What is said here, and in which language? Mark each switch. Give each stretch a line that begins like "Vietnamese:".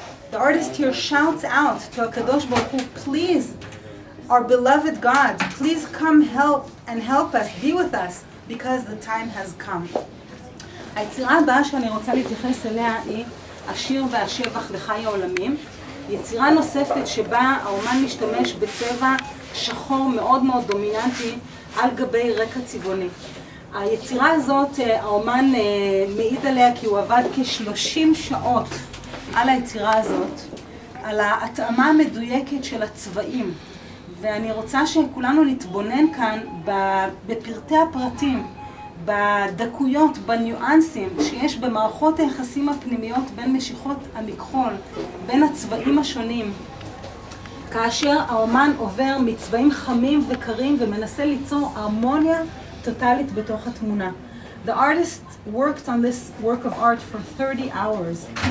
English: The artist here shouts out to HaKadosh Baruch Hu, please, our beloved God, please come help and help us, be with us, because the time has come.
Hebrew: היצירה הבאה שאני רוצה להתייחס אליה היא השיר והשבח לחי העולמים. יצירה נוספת שבה האומן משתמש בצבע שחור מאוד מאוד דומיננטי על גבי רקע צבעוני. היצירה הזאת, האומן מעיד עליה כי הוא עבד כ-30 שעות על היצירה הזאת, על ההתאמה המדויקת של הצבעים. ואני רוצה שכולנו נתבונן כאן בפרטי הפרטים, בדקויות, בניואנסים שיש במערכות היחסים הפנימיות בין משיכות המכחול, בין הצבעים השונים. כאשר האומן עובר מצבעים חמים וקרים ומנסה ליצור הרמוניה טוטלית בתוך התמונה.
English: The artist worked on this work of art for 30 hours.